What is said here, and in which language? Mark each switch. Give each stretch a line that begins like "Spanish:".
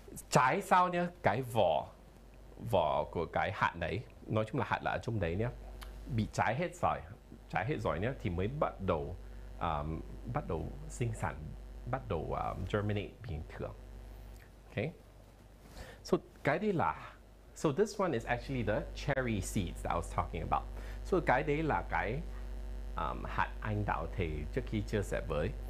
Vietnamese: Cháy sau nhá, cái vỏ của cái hạt đấy, nói chung là hạt là ở trong đấy nhá, bị cháy hết rồi nhá thì mới bắt đầu sinh sản, bắt đầu germinate bình thường. Okay. So cái đấy là,
English: so this one is actually the cherry seeds that I was talking about.
Vietnamese: So cái đấy là cái hạt anh đào thì trước khi chia sẻ với.